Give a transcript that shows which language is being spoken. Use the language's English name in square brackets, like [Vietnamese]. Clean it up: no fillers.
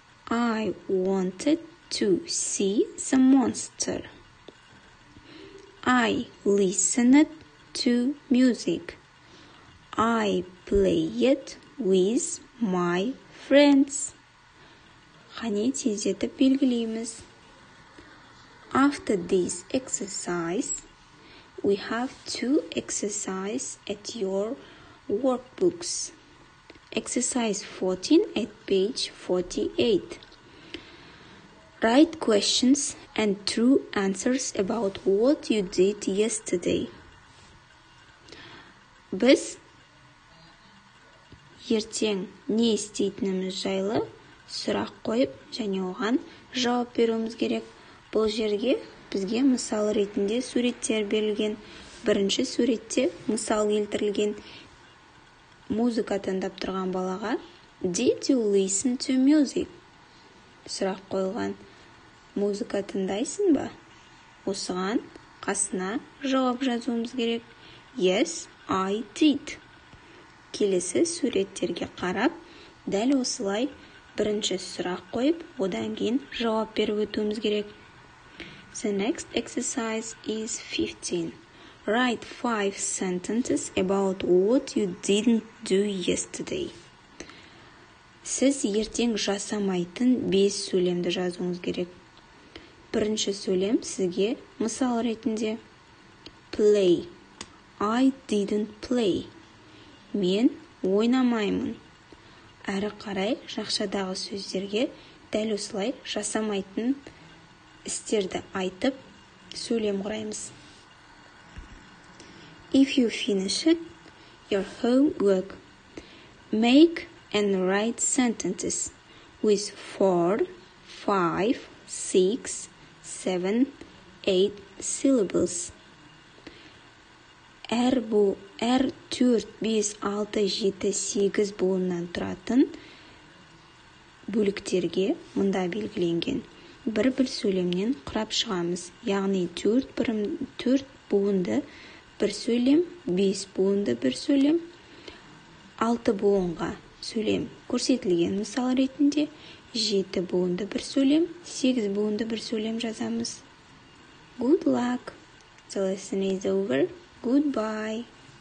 [English] I wanted to see the monster. I listened to music. I played with my friends. [Kazakh] Қане тездетіп белгілейміз. [English] After this exercise, we have two exercises at your workbooks. Exercise 14 at page 48. Write questions and true answers about what you did yesterday. [Kazakh] Біз ертең не істейтініміз жайлы сұрақ қойып, және оған жауап беруіміз керек. Бұл жерге бізге мысал ретінде суреттер берілген. Бірінші суретте мысал келтірілген. Музыка тыңдап тұрған балаға [English] Did you listen to music? [Kazakh] Сұрақ қойылған. Музыка тыңдайсың ба? Осыған қасына жауап жазуымыз керек. [English] Yes, I did. [Kazakh] Келесі суреттерге қарап, дәл осылай бірінші сұрақ қойып, одан кейін жауап беріп өтуіміз керек. [English] The next exercise is 15. Write 5 sentences about what you didn't do yesterday. [Kazakh] Сіз ертең жасамайтын 5 сөйлемді жазуыңыз керек. Бірінші сөйлем сізге мысал ретінде. [English] Play. I didn't play. [Kazakh] Мен ойнамаймын. Әрі қарай жақшадағы сөздерге дәл осылай жасамайтын істерді айтып сөйлем құраймыз. [English] If you finish it, your homework. Make and write sentences with 4, 5, 6, 7, 8 syllables. [Kazakh] Әр 4, 5, 6, 7, 8 буыннан тұратын бөліктерге мында белгіленген. Бір-бір сөйлемнен құрап шығамыз. Яғни 4 буынды бір сөйлем, 5 буынды бір сөйлем, 6 буынға сөйлем көрсетілген мысал ретінде, 7 буынды бір сөйлем, 8 буынды бір сөйлем жазамыз. [English] Good luck! The lesson is over. Goodbye.